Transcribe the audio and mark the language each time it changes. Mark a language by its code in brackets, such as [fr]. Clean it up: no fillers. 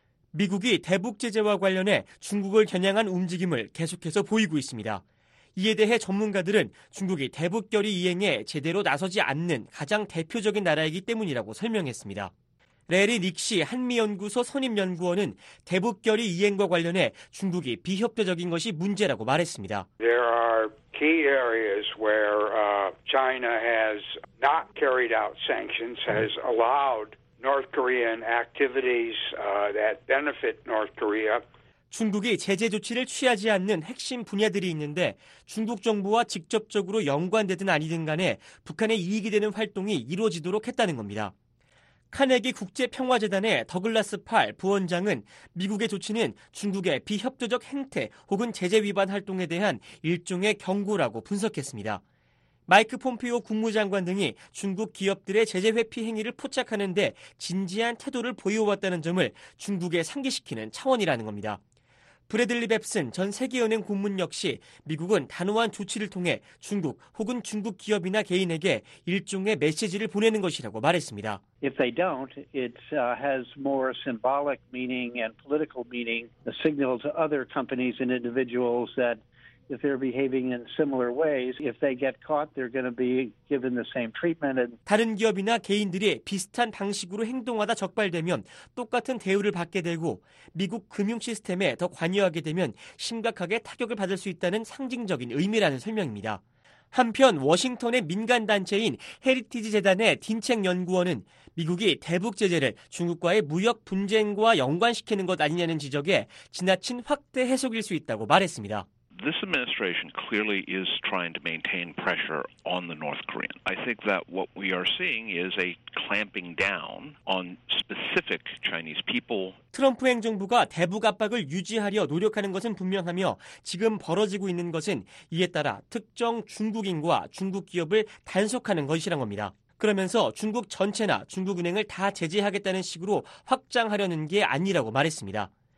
[ko] 미국이 대북제재와 관련해 중국을 겨냥한 움직임을 계속해서 보이고 있습니다. 이에 대해 전문가들은 중국이 대북결의 이행에 제대로 나서지 않는 가장 대표적인 나라이기 때문이라고 설명했습니다. 레리 닉시 한미연구소 선임연구원은 대북결의 이행과 관련해 중국이 비협조적인 것이 문제라고 말했습니다. [en] There are key areas where China has not carried out sanctions, has allowed North Korean activities that benefit North Korea. [ko] 중국이 제재 조치를 취하지 않는 핵심 분야들이 있는데 중국 정부와 직접적으로 연관되든 아니든 간에 북한의 이익이 되는 활동이 이루어지도록 했다는 겁니다. 카네기 국제평화재단의 더글라스 팔 부원장은 미국의 조치는 중국의 비협조적 행태 혹은 제재 위반 활동에 대한 일종의 경고라고 분석했습니다. 마이크 폼페이오 국무장관 등이 중국 기업들의 제재 회피 행위를 포착하는 데 진지한 태도를 보여왔다는 점을 중국에 상기시키는 차원이라는 겁니다. 브래들리 뱁슨 전 세계은행 고문 역시 미국은 단호한 조치를 통해 중국 혹은 중국 기업이나 개인에게 일종의 메시지를 보내는 것이라고 말했습니다. [en] If they don't, it has more symbolic meaning and political meaning, a signal to other companies and individuals that if they're behaving in similar ways, if they get caught, they're going to be given the same treatment. [ko] 다른 기업이나 개인들이 비슷한 방식으로 행동하다 적발되면 똑같은 대우를 받게 되고 미국 금융 시스템에 더 관여하게 되면 심각하게 타격을 받을 수 있다는 상징적인 의미라는 설명입니다. 한편 워싱턴의 민간 단체인 헤리티지 재단의 딘첸 연구원은 미국이 대북 제재를 중국과의 무역 분쟁과 연관시키는 것 아니냐는 지적에 지나친 확대 해석일 수 있다고 말했습니다. [en] This administration clearly is trying to maintain pressure on the North Korean. I think that what we are seeing is a clamping down on specific Chinese people. [ko] 트럼프 행정부가 대북 압박을 유지하려 노력하는 것은 분명하며 지금 벌어지고 있는 것은 이에 따라 특정 중국인과 중국 기업을 단속하는 것이란 겁니다. 그러면서 중국 전체나 중국은행을 다 제재하겠다는 식으로 확장하려는 게 아니라고 말했습니다.